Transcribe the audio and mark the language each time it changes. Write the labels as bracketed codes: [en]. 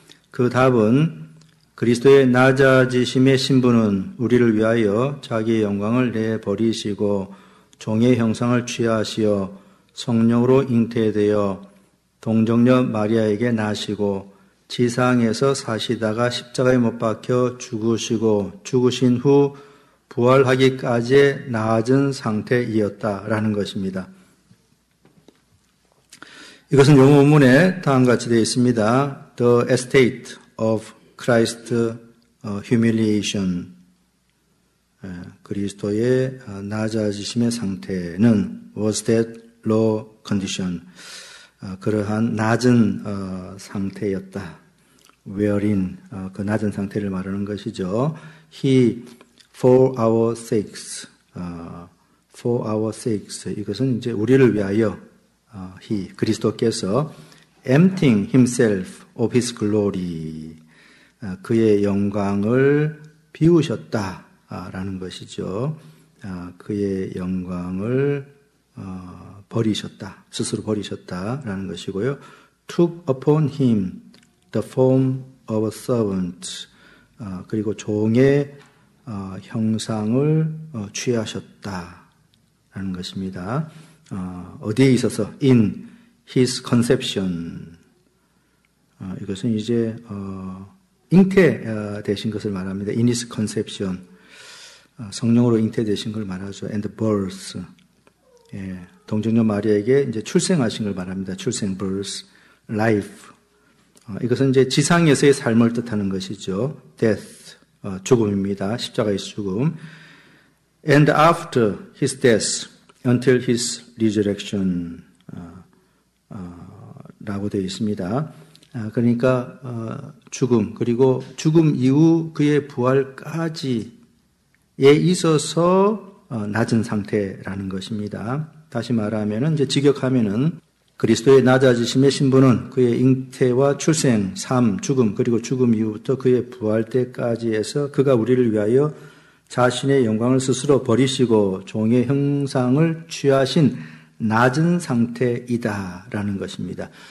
[ko] 그 답은 그리스도의 낮아지심의 신분은 우리를 위하여 자기의 영광을 내버리시고 종의 형상을 취하시어 성령으로 잉태되어 동정녀 마리아에게 나시고 지상에서 사시다가 십자가에 못 박혀 죽으시고 죽으신 후 부활하기까지 나아진 상태이었다라는 것입니다. 이것은 영어 원문에 다음과 같이 되어 있습니다. [en] The estate of Christ's humiliation. [ko] 그리스도의 낮아지심의 상태는 [en] was that low condition. [ko] 그러한 낮은 상태였다. [en] Wherein [ko] 그 낮은 상태를 말하는 것이죠. [en] He for our sakes. For our sakes. [ko] 이것은 이제 우리를 위하여 he 그리스도께서 [en] emptying himself of his glory. [ko] 그의 영광을 비우셨다라는 것이죠. 그의 영광을 버리셨다. 스스로 버리셨다라는 것이고요. [en] took upon him the form of a servant. [ko] 그리고 종의 형상을 취하셨다라는 것입니다. 어디에 있어서? [en] in his conception. [ko] 이것은 이제 잉태 되신 것을 말합니다. [en] in his conception. [ko] 성령으로 잉태 되신 걸 말하죠. [en] and birth. [ko] 예, 동정녀 마리아에게 이제 출생하신 걸 말합니다. 출생, [en] birth, life. [ko] 이것은 이제 지상에서의 삶을 뜻하는 것이죠. [en] death, [ko] 죽음입니다. 십자가의 죽음. [en] and after his death, until his resurrection, [ko] 라고 되어 있습니다. 그러니까, 죽음, 그리고 죽음 이후 그의 부활까지에 있어서 낮은 상태라는 것입니다. 다시 말하면은 이제 직역하면은 그리스도의 낮아지심의 신분은 그의 잉태와 출생, 삶, 죽음 그리고 죽음 이후부터 그의 부활 때까지에서 그가 우리를 위하여 자신의 영광을 스스로 버리시고 종의 형상을 취하신 낮은 상태이다라는 것입니다.